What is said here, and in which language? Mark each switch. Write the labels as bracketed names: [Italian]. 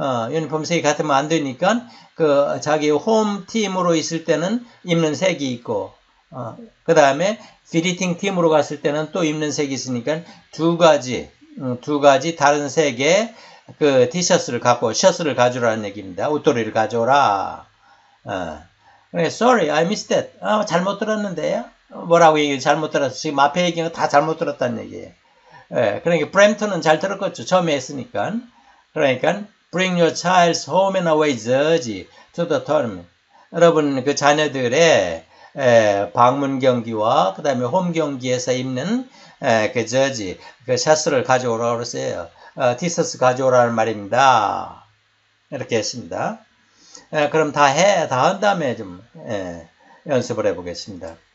[Korean] 유니폼 색이 같으면 안 되니까, 그, 자기 홈 팀으로 있을 때는 입는 색이 있고, 그 다음에 비지팅 팀으로 갔을 때는 또 입는 색이 있으니까 두 가지 다른 색의 그 티셔츠를 갖고, 셔츠를 가져오라는 얘기입니다. 옷도리를 가져오라. [English] Sorry, I missed that. [Korean] 잘못 들었는데요? 뭐라고 얘기해? 잘못 들었어. 지금 앞에 얘기한 거다 잘못 들었다는 얘기예요. 그러니까 브램프턴은 잘 들었겠죠. 처음에 했으니까. 그러니까 [English] Bring your child's home and away jersey to the tournament. [Korean] 여러분, 그 자녀들의 방문 경기와 그 다음에 홈 경기에서 입는 그 저지, 그 셔츠를 가져오라고 그러세요. 티셔츠 가져오라는 말입니다. 이렇게 했습니다. 그럼 다한 다음에 좀 연습을 해보겠습니다.